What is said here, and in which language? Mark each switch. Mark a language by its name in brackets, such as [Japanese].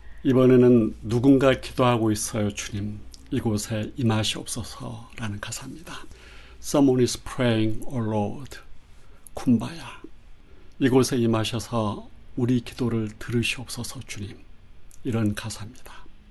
[Korean] 이번에는 누군가 기도하고 있어요 주님 이곳에 임하시옵소서라는 가사입니다. [English] Someone is praying, O Lord, Kumbaya. [Korean] 이곳에 임하셔서 우리 기도를 들으시옵소서 주님 이런 가사입니다.